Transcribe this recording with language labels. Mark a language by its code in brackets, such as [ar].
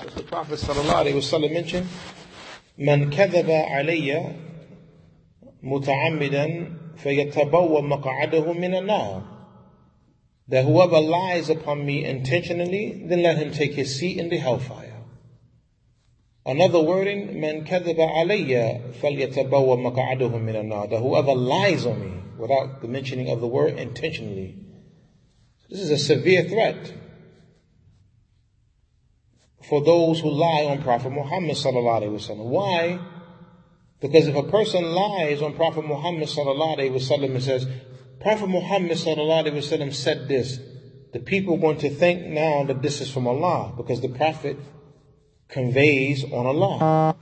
[en] As the Prophet sallallahu alaihi wasallam mentioned, [ar] من كذب علي متعمدا فيتبوى مقعده من النار. [en] That whoever lies upon me intentionally, then let him take his seat in the hellfire. Another wording, [ar] من كذب علي فليتبوى مقعده من النار. [en] That whoever lies on me, without the mentioning of the word intentionally. This is a severe threat for those who lie on Prophet Muhammad sallallahu alaihi wasallam. Why? Because if a person lies on Prophet Muhammad sallallahu alaihi wasallam and says, Prophet Muhammad sallallahu alaihi wasallam said this, the people are going to think now that this is from Allah, because the Prophet conveys on Allah.